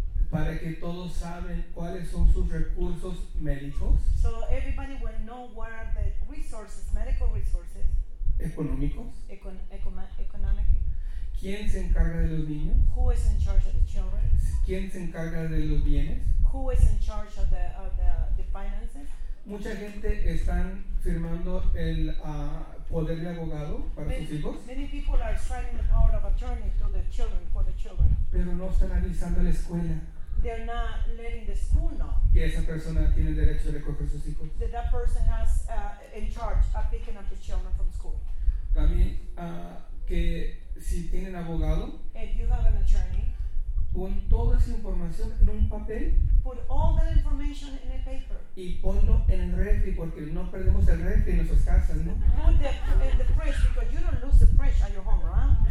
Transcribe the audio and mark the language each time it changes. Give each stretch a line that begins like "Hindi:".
Spanish: para que todos saben cuáles son sus recursos médicos
English: so everybody will know what are the resources medical resources
Spanish: económicos
English: economic
Spanish: quién se encarga de los niños
English: who is in charge of the children
Spanish: quién se encarga de los bienes
English: who is in charge of the finances
Spanish: mucha gente están firmando el poder de abogado para
English: many,
Spanish: sus hijos.
English: Many people are signing the power of attorney to the children for the children.
Spanish: Pero no están avisando a la escuela.
English: They're not letting the school know.
Spanish: Que esa persona tiene el derecho de recoger sus hijos.
English: That person has in charge of picking up the children from school.
Spanish: También que si tienen abogado.
English: If you have an attorney.
Spanish: Pon toda esa información en un papel.
English: Put all that information in a paper.
Spanish: Y ponlo en el refri porque no perdemos el refri en nuestras casas, ¿no?
English: Put in the fridge because you don't lose the fridge at your home, right?